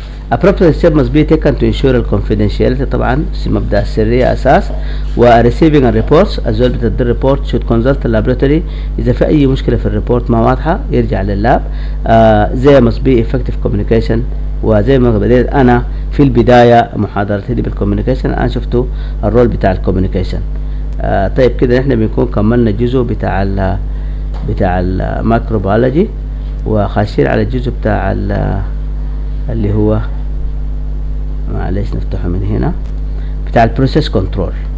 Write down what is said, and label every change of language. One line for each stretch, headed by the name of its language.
English: Appropriate steps must be taken to ensure the confidentiality.
Arabic: طبعا مبدأ السرية أساس.
English: و receiving reports as well as the report should consult the laboratory.
Arabic: إذا في أي مشكلة في الريبورت ما واضحة يرجع لللاب.
English: There must be effective communication.
Arabic: وزي ما بديت أنا في البداية محاضرتي بالcommunication أنا شفتوا الرول بتاع الcommunication. طيب كده نحن بنكون كملنا جزء بتاع الـ microbiology وخاشين على الجزء بتاع الـ اللي هو معلش نفتحه من هنا بتاع البروسيس كنترول.